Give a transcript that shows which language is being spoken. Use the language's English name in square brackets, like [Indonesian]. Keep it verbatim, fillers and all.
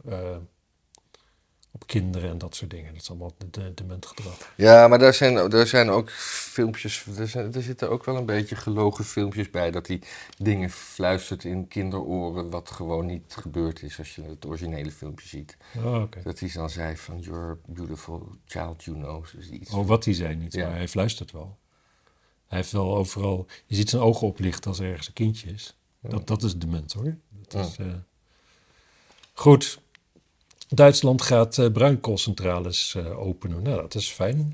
[Dutch] Uh, Op kinderen en dat soort dingen. Dat is allemaal de, de, dement gedrag. Ja, maar daar zijn, daar zijn ook filmpjes... Er, zijn, er zitten ook wel een beetje gelogen filmpjes bij... dat hij dingen fluistert in kinderoren... wat gewoon niet gebeurd is als je het originele filmpje ziet. Oh, okay. Dat hij dan zei van... [English] You're beautiful child, you know. [Dutch] Dus iets oh, wat hij zei niet, ja. Maar hij fluistert wel. Hij heeft wel overal... Je ziet zijn ogen oplichten als er ergens een kindje is. Ja. Dat, dat is dement, hoor. Dat is, ja. uh... Goed... Duitsland gaat uh, bruinkoolcentrales uh, openen. Nou, dat is fijn.